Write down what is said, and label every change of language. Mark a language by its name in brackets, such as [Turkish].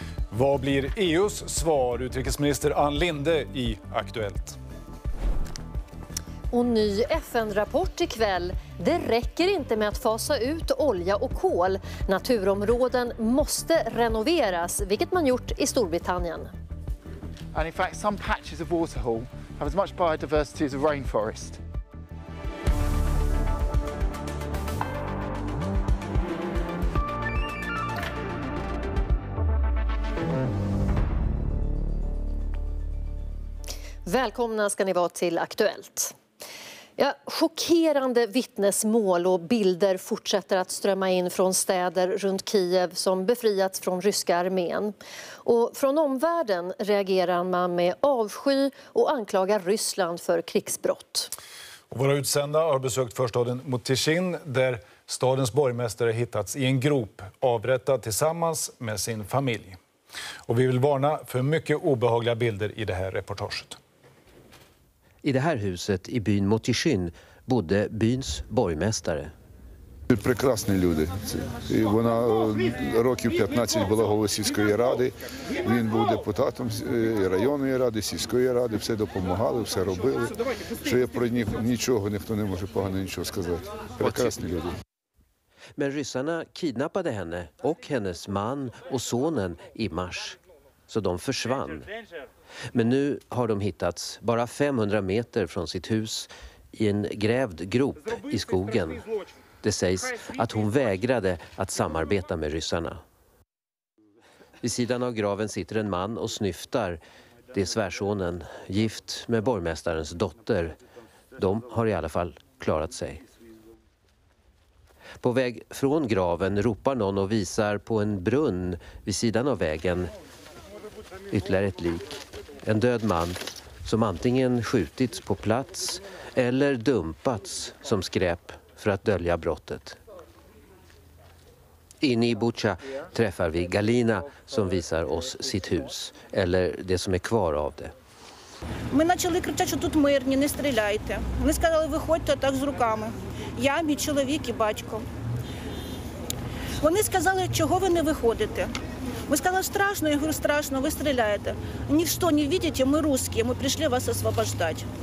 [Swedish] Vad blir EU:s svar, utrikesminister Ann Linde i Aktuellt? Och ny FN-rapport ikväll. Det räcker inte med att fasa ut olja och kol. Naturområden måste renoveras, vilket man gjort i Storbritannien. [English] And in fact, some patches of waterhole have as much biodiversity as a rainforest. [Swedish] Välkomna ska ni vara till Aktuellt. Ja, chockerande vittnesmål och bilder fortsätter att strömma in från städer runt Kiev som befriats från ryska armén. Och från omvärlden reagerar man med avsky och anklagar Ryssland för krigsbrott. Och våra utsända har besökt förstaden Motishin där stadens borgmästare hittats i en grop avrättad tillsammans med sin familj. Och vi vill varna för mycket obehagliga bilder i det här reportaget. I det här huset i byn Motishin bodde byns borgmästare. Det är [Ukrainian] прекрасні люди. І вона років 15 була головою сільської ради. Він був депутатом районної ради, сільської ради, все допомагали, все робили. Що я про них нічого ніхто не може погано нічого сказати. Прекрасні люди. [Swedish] Men ryssarna kidnappade henne och hennes man och sonen i mars. Så de försvann. Men nu har de hittats bara 500 meter från sitt hus i en grävd grop i skogen. Det sägs att hon vägrade att samarbeta med ryssarna. Vid sidan av graven sitter en man och snyftar. Det är svärsonen, gift med borgmästarens dotter. De har i alla fall klarat sig. På väg från graven ropar någon och visar på en brunn vid sidan av vägen. Ytterligare ett lik. En död man som antingen skjutits på plats eller dumpats som skräp för att dölja brottet. Inne i Butcha träffar vi Galina som visar oss sitt hus, eller det som är kvar av det. [Ukrainian] Ми почали кричати, що тут мирні, не стріляйте. Вони сказали, виходьте так з руками. Я, мій чоловік і батько. Вони сказали, чого ви не виходите. Ми сказали, страшно, я говорю, страшно, ви стріляєте. Ніщо не бачите, ми русські, ми прийшли вас освобождати.